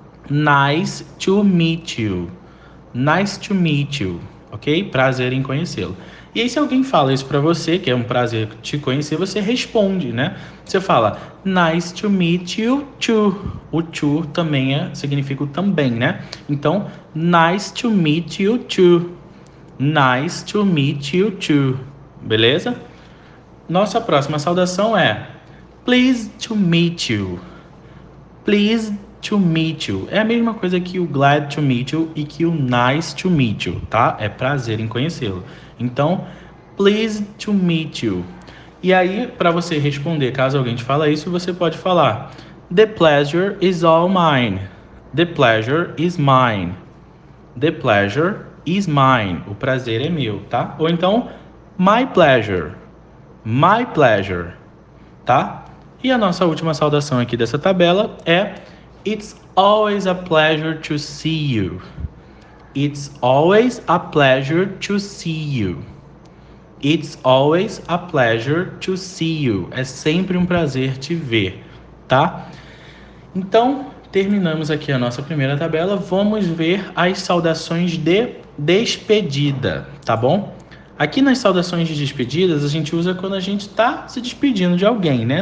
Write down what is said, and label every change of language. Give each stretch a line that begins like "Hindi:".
English: Nice to meet you. Nice to meet you, ok?
Portuguese: Prazer em conhecê-lo. E aí, se alguém fala isso pra você, que é um prazer te conhecer, você responde, né? Você fala, nice to meet you too. O to também significa o também, né?
English: Então, nice to meet you too. Nice to meet you too. Beleza? Nossa próxima saudação é, please to meet you. Please to meet you.
Portuguese: É a mesma coisa que o glad to meet you e que o nice to meet you, tá? É prazer em conhecê-lo.
English: Então, please to meet you.
Portuguese: E aí, para você responder, caso alguém te fala isso, você pode falar: The pleasure is all mine.
English: The pleasure is mine. The pleasure is mine. O prazer é meu, tá? Ou então, my pleasure. My pleasure, tá?
Portuguese: E a nossa última saudação aqui dessa tabela é: It's always a pleasure to see you.
English: It's always a pleasure to see you. It's always a pleasure to see you.
Portuguese: É sempre um prazer te ver, tá? Então, terminamos aqui a nossa primeira tabela. Vamos ver as saudações de despedida, tá bom? Aqui nas saudações de despedidas, a gente usa quando a gente tá se despedindo de alguém, né?